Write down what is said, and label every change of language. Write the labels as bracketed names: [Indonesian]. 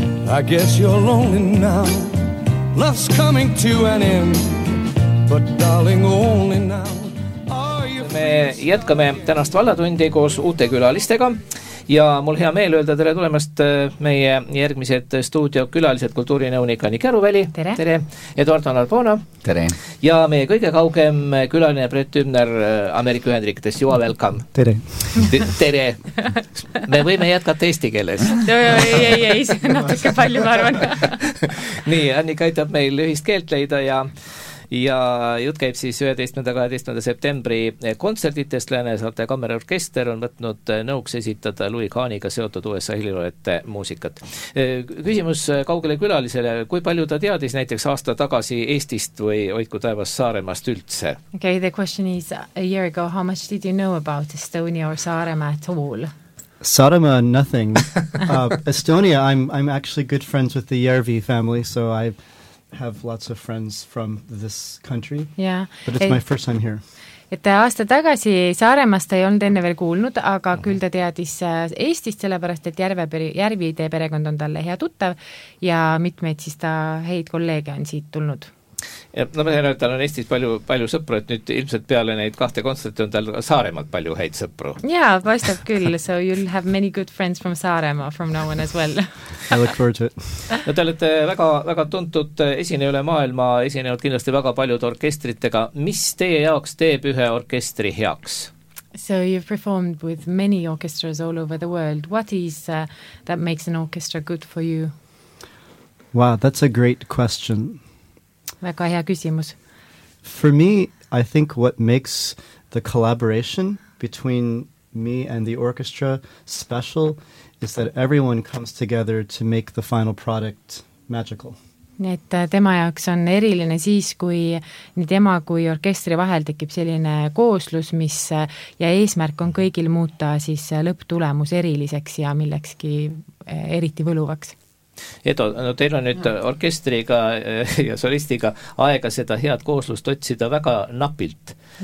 [English] I guess you're lonely now, love's coming to an end. But darling, only now. [Estonian] Me jätkame tänast vallatundi koos uute külalistega ja mul hea meel öelda tere tulemast meie järgmised stuudio külalised kultuurinõunik Anni Käruväli. Tere. Tere. Eduard Analpona. Tere. Ja meie kõige kaugem külaline Brett Ümner Ameerika Ühendriikides. [English] You are welcome. [Estonian] Tere. Tere. Me võime jätkata eesti keeles. Ei, natuke palju, ma arvan. Nii, Anni kaitab meil ühist keelt leida ja jut käib siis 11.–12. septembri kontsertitest. Läänesaate kameraorkester on võtnud nõuks esitada Louis Kahniga seotud USA heliloojate muusikat. Küsimus kaugele külalisele, kui palju ta teadis näiteks aasta tagasi Eestist või oidku taevas Saaremast üldse? [English] Okay, the question is, a year ago, how much did you know about Estonia or Saarema at all? Saarema, nothing. Estonia, I'm actually good friends with the Järvi family, so I've have lots of friends from this country. Yeah. But it's my first time here. [Estonian] Et aasta tagasi Saaremast ei olnud enne veel kuulnud, aga küll ta teadis Eestist sellepärast, et Järvi tee perekond on talle hea tuttav ja mitmeid siis ta heid kolleege on siit tulnud. Ja, no ma tean, et tal on Eestis palju sõpru, et nüüd ilmselt peale neid kahte konserti on tal Saaremalt palju heid sõpru. Jaa, vastab küll. [English] So you'll have many good friends from Saarema, from no one as well. I look forward to it. [Estonian] No te olete väga, väga tuntud esineja üle maailma, esinejad kindlasti väga paljud orkestritega. Mis teie jaoks teeb ühe orkestri heaks? [English] So you've performed with many orchestras all over the world. What is that makes an orchestra good for you? Wow, that's a great question. [Estonian] Väga hea küsimus. [English] For me, I think what makes the collaboration between me and the orchestra special is that everyone comes together to make the final product magical. [Estonian] Et tema jaoks on eriline siis, kui nii tema kui orkestri vahel tekib selline kooslus, mis ja eesmärk on kõigil muuta siis lõptulemus eriliseks ja millekski eriti võluvaks. Edo, no teil on nüüd orkestriga ja solistiga aega seda head kooslust otsida väga napilt.